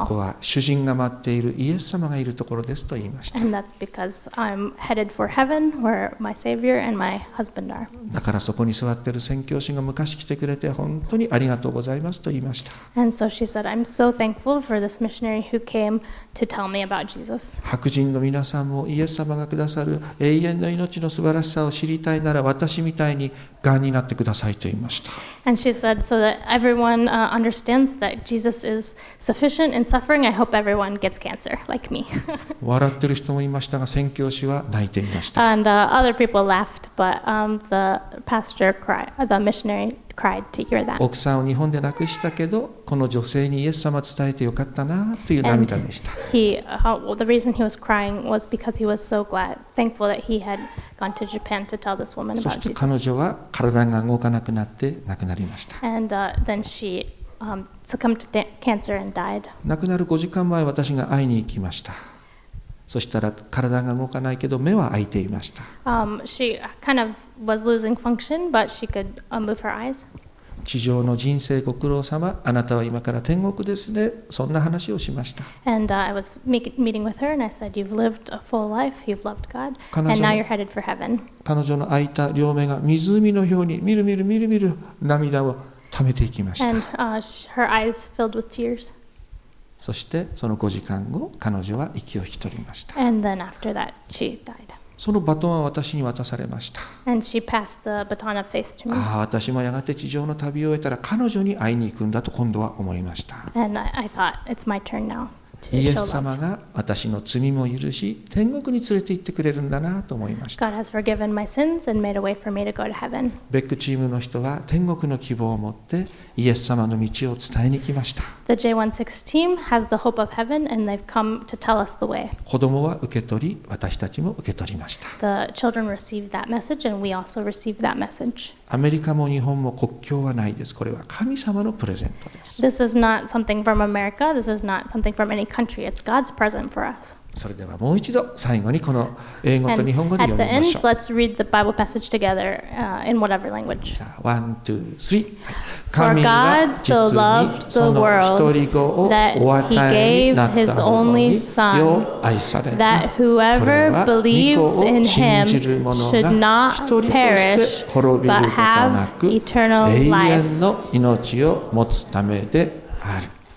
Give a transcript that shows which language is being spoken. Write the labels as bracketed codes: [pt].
[ja] そこは主人が待っているイエス様がいるところですと言いました。 [en] And that's because I'm headed for heaven where my Savior and my husband are. [ja] だからそこに座っている宣教師が昔来てくれて本当にありがとうございますと言いました。 [en] And so she said, I'm so thankful for this missionary who came to tell me about Jesus. [ja] 白人の皆さんもイエス様がくださる永遠の命の素晴らしさを知りたいなら私みたいに癌になってくださいと言いました。 [en] And she said, so that everyone understands that Jesus is sufficient in suffering, I hope everyone gets cancer like me. [ja] 笑ってる人もいましたが、宣教師は泣いていました。 [en] And other people laughed, but the pastor cried, the missionary. [ja] 奥さんを日本で亡くしたけど、この女性にイエス様伝えてよかったなという涙でした。 [en] The reason he was crying was because he was so glad, thankful that he had gone to Japan to tell this woman about Jesus. [ja] そして彼女は体が動かなくなって亡くなりました。 [en] And then she succumbed to cancer and died. [ja] 亡くなる5時間前、私が会いに行きました。そしたら体が動かないけど目は開いていました。 [en] She kind of was losing function, but she could move her eyes. [ja] 地上の人生ご苦労様、あなたは今から天国ですね。そんな話をしました。 [en] And I was meeting with her and I said, you've lived a full life, you've loved God, and now you're headed for heaven. [ja] 彼女の開いた両目が湖のようにみるみるみるみる涙を溜めていきました。 [en] And her eyes filled with tears. [ja] そしてその5時間後、彼女は息を引き取りました。 [en] And then after that, she died. [ja] そのバトンは私に渡されました。 [en] And she passed the baton of faith to me. [ja] ああ、私もやがて地上の旅を終えたら彼女に会いに行くんだと今度は思いました。 [en] And I thought, it's my turn now. [ja] イエス様が私の罪も許し天国に連れて行ってくれるんだなと思いました。 [en] God has forgiven my sins and made a way for me to go to heaven. [ja] ベックチームの人は天国の希望を持ってイエス様の道を伝えに来ました。 [en] The J16 team has the hope of heaven and they've come to tell us the way. [ja] 子供は受け取り私たちも受け取りました。 [en] The children received that message and we also received that message. [ja] アメリカも日本も国境はないです。これは神様のプレゼントです。 [en] This is not something from America. This is not something from anyCountry. It's God's present for us. [ja] それではもう一度最後にこの英語と日本語で読みましょう。 [en] And at the end, let's read the Bible passage together, in whatever language. One, two, three. [ja] 神は実にその一人子をお与えになった方によ愛されたそれは御子を信じる者が一人として滅びることなく永遠の命を持つためである。